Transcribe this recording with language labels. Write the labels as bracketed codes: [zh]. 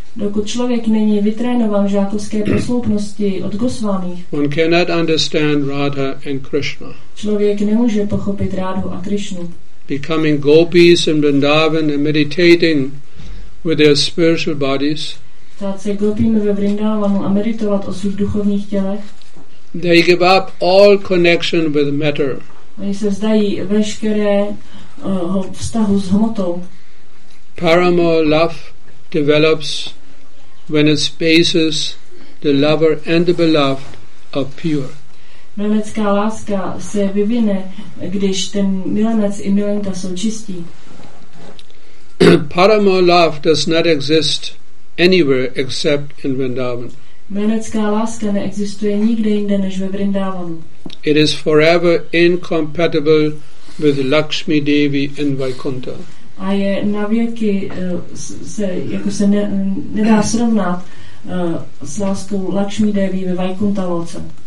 [cs] dokud člověk není vytrénován žákovské posloupnosti od Goswami, [en] one cannot understand Radha and Krishna. [cs] Člověk nemůže pochopit Radhu a Krishnu. [en] Becoming gopis in Vrindavan and meditating with their spiritual bodies, [cs] stát se gopími ve Vrindavanu a meditovat o svých duchovních tělech, [en] they give up all connection with matter. [cs] Oni se vzdají veškeré vztahu s hmotou. [en] Paramo love develops when its basis, the lover and the beloved, are pure. [cs] Milenecká láska se vyvine, když ten milenec i milenka jsou čistí. [en] Paramo love does not exist anywhere except in Vrindavan. [cs] Milenecká láska neexistuje nikde jinde než ve Vrindavanu. [en] It is forever incompatible with Lakshmi Devi in Vaikuntha. [cs] A je navěky se jako se nedá srovnat s láskou Lakshmi Devi ve Vaikuntha loce.